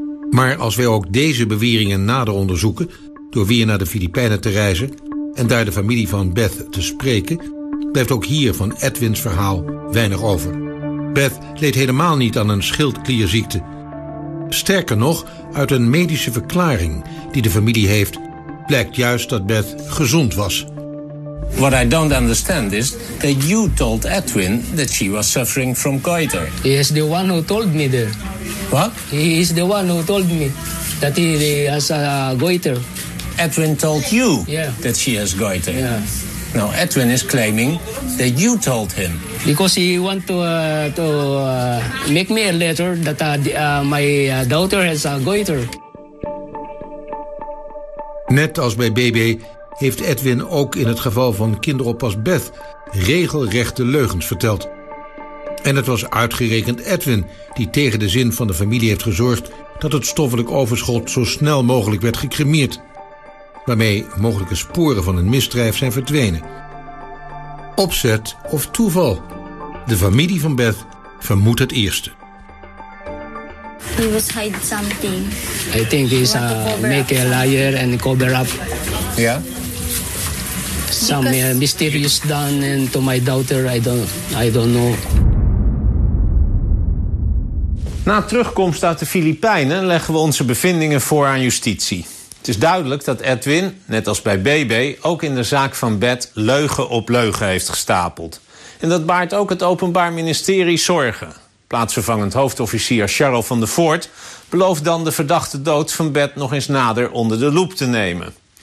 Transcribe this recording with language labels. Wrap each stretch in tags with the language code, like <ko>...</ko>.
<nl>Maar als wij ook deze beweringen nader onderzoeken, door weer naar de Filipijnen te reizen en daar de familie van Beth te spreken, blijft ook hier van Edwins verhaal weinig over. Beth leed helemaal niet aan een schildklierziekte. Sterker nog, uit een medische verklaring die de familie heeft, blijkt juist dat Beth gezond was.</nl> <en>What I don't understand is that you told Edwin that she was suffering from goiter. He is the one who told me that. What? He is the one who told me that he has a goiter. Edwin told you that she has goiter. Yeah. Now Edwin is claiming that you told him. Because he want to make me a letter that my daughter has a goiter.</en> <nl>Net als bij BB heeft Edwin ook in het geval van kinderoppas Beth regelrechte leugens verteld. En het was uitgerekend Edwin die tegen de zin van de familie heeft gezorgd dat het stoffelijk overschot zo snel mogelijk werd gecremeerd, waarmee mogelijke sporen van een misdrijf zijn verdwenen. Opzet of toeval? De familie van Beth vermoedt het eerste.</nl> <en>He was hide something. I think he's make a liar and cover up. Yeah. Some mysterious done and to my daughter, I don't know.</en> <nl>Na terugkomst uit de Filipijnen leggen we onze bevindingen voor aan justitie. Het is duidelijk dat Edwin, net als bij BB, ook in de zaak van Beth leugen op leugen heeft gestapeld. En dat baart ook het Openbaar Ministerie zorgen. Plaatsvervangend hoofdofficier Charles van der Voort belooft dan de verdachte dood van Beth nog eens nader onder de loep te nemen.</nl>